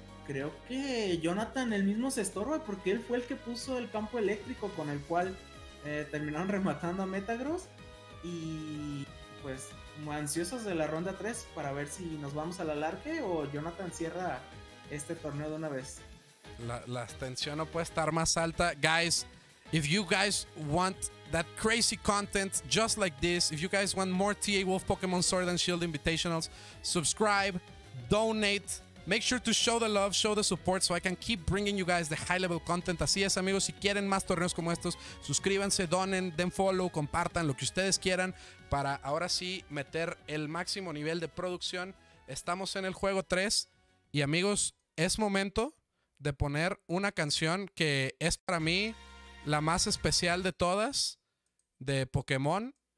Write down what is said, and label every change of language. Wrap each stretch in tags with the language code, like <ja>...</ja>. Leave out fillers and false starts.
<es>Creo que Jonathan el mismo se estorba porque él fue el que puso el campo eléctrico con el cual terminaron rematando a Metagross, y pues ansiosos de la ronda 3 para ver si nos vamos al alarque o Jonathan cierra este torneo de una vez. La tensión no puede estar más alta.</es> <en>Guys, if you guys want that crazy content just like this, if you guys want more TA Wolf Pokemon Sword and Shield Invitationals, subscribe, donate, make sure to show the love, show the support, so I can keep bringing you guys the high level content.</en> <es>Así es, amigos, si quieren más torneos como estos, suscríbanse, donen, den follow, compartan, lo que ustedes quieran, para ahora sí meter el máximo nivel de producción. Estamos en el juego 3 y, amigos, es momento de poner una canción que es para mí la más especial de todas de Pokémon.</es>